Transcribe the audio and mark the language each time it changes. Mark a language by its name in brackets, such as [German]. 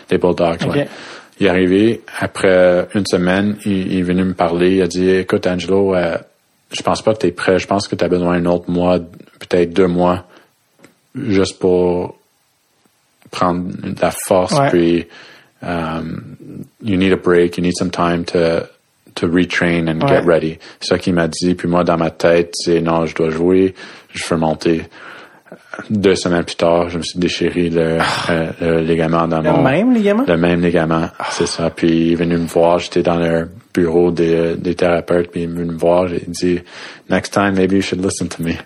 [French] Les Bulldogs, okay. Oui. Il est arrivé après une semaine. Il est venu me parler. Il a dit, écoute, Angelo, je pense pas que tu es prêt. Je pense que tu as besoin d'un autre mois, peut-être deux mois, juste pour prendre de la force. Ouais. [English] Puis, you need a break. You need some time to retrain and get ready. [French] C'est ça qu'il m'a dit. Puis moi, dans ma tête, c'est non, je dois jouer. Je veux monter. Deux semaines plus tard, je me suis déchiré le ligament dans le même ligament? Le même ligament, c'est ça. Puis il est venu me voir, j'étais dans le bureau des thérapeutes, puis il est venu me voir, j'ai dit, [English] next time, maybe you should listen to me.